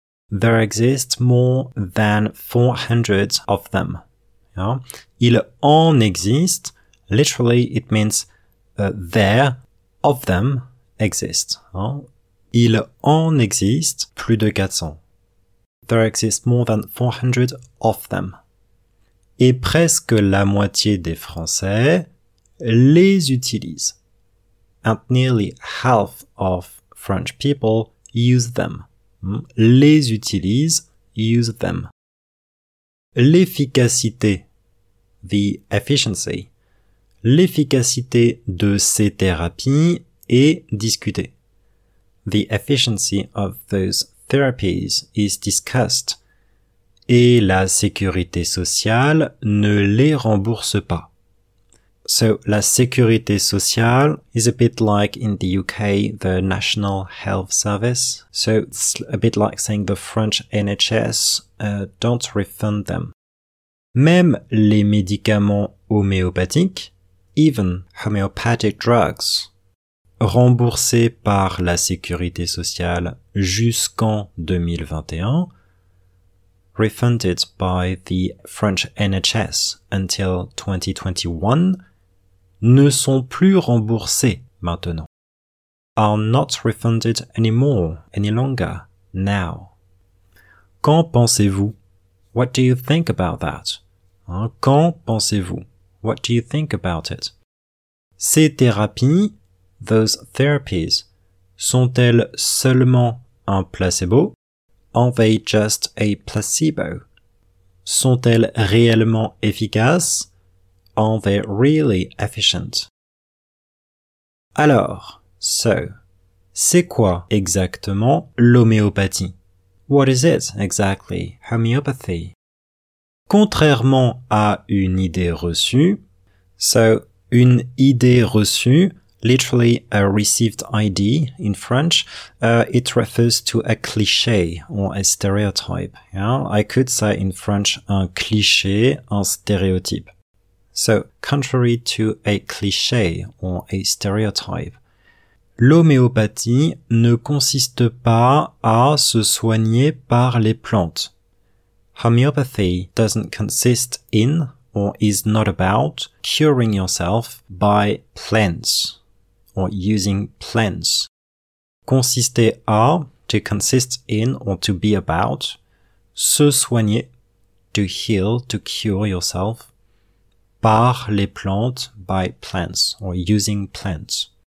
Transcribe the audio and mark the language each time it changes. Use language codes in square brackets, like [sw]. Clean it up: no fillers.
[en] There exist more than 400 of them. Yeah? [fr] Il en existe, [en] literally it means there, of them, exist. Hein? [fr] Il en existe plus de 400. [en] There exist more than 400 of them. [fr] Et presque la moitié des Français les utilisent. [en] And nearly half of French people use them. [fr] Les utilise, [en] use them. [fr] L'efficacité, [en] the efficiency, [fr] l'efficacité de ces thérapies est discutée. [en] The efficiency of those therapies is discussed. [fr] Et la sécurité sociale ne les rembourse pas. [en] So, la sécurité sociale is a bit like in the UK, the National Health Service. So, it's a bit like saying the French NHS, don't refund them. [fr] Même les médicaments homéopathiques, [en] even homeopathic drugs, [fr] remboursés par la sécurité sociale jusqu'en 2021, [en] refunded by the French NHS until 2021, [fr] ne sont plus remboursés maintenant. [en] Are not refunded anymore, any longer, now. [fr] Qu'en pensez-vous? [en] What do you think about that? [fr] Hein, qu'en pensez-vous? [en] What do you think about it? [fr] Ces thérapies, [en] those therapies, [fr] sont-elles seulement un placebo? [en] Are they just a placebo? [fr] Sont-elles réellement efficaces? [en] Are they really efficient? [fr] Alors, [en] so, [fr] c'est quoi exactement l'homéopathie? [en] What is it exactly, homeopathy? [fr] Contrairement à une idée reçue, [en] so, [fr] une idée reçue, [en] literally a received idea in French, it refers to a cliché or a stereotype. Yeah? I could say in French [fr] un cliché, un stéréotype. [en] So, contrary to a cliché or a stereotype, [fr] l'homéopathie ne consiste pas à se soigner par les plantes. [en] Homeopathy doesn't consist in or is not about curing yourself by plants or using plants. [fr] Consister à, [en] to consist in or to be about, [fr] se soigner, [en] to heal, to cure yourself, [fr] par les plantes, [en] by plants, or using plants.